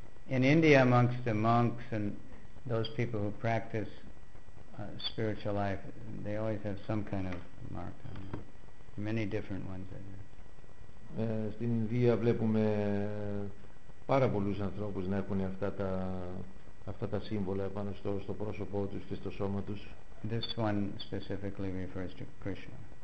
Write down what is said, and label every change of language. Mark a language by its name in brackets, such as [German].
[English] In India, amongst the monks and those people who practice spiritual life, they always have some kind of mark on them. Many different ones. [Greek] Στην Ινδία βλέπουμε πάρα πολλούς ανθρώπους να έχουν αυτά τα σύμβολα πάνω στο πρόσωπό τους και στο σώμα τους. [English] This one specifically refers to Krishna.